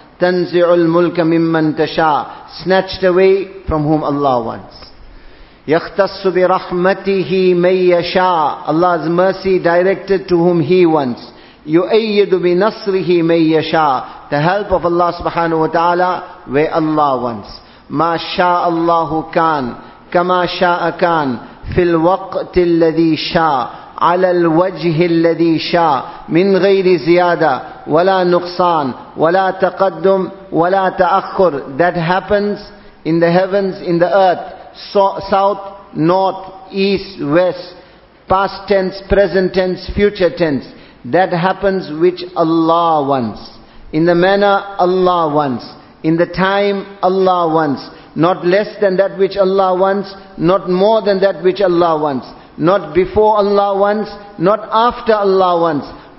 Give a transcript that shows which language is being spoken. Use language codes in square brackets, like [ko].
[ar] تَنْزِعُ الْمُلْكَ مِمَّن تَشَاءُ [en] Snatched away from whom Allah wants. [ar] يَخْتَصُ بِرَحْمَتِهِ مَن يَشَاءُ [en] Allah's mercy directed to whom He wants. [ar] يُؤَيِّدُ بِنَصْرِهِ مَن يَشَاءُ [en] The help of Allah subhanahu wa ta'ala where Allah wants. [ar] مَا شَاءَ اللَّهُ كَانْ كَمَا شَاءَ كَانْ فِي الْوَقْتِ الَّذِي شَاءَ عَلَى الْوَجْهِ الَّذِي شَاءَ مِنْ غَيْرِ زِيَادَةٍ وَلَا نُقْصَانٍ وَلَا تَقَدُّمٍ وَلَا تَأَخُّرٍ [en] That happens in the heavens, in the earth, south, north, east, west, past tense, present tense, future tense. That happens which Allah wants. In the manner Allah wants. In the time Allah wants. Not less than that which Allah wants. Not more than that which Allah wants. Not before Allah wants, not after Allah wants.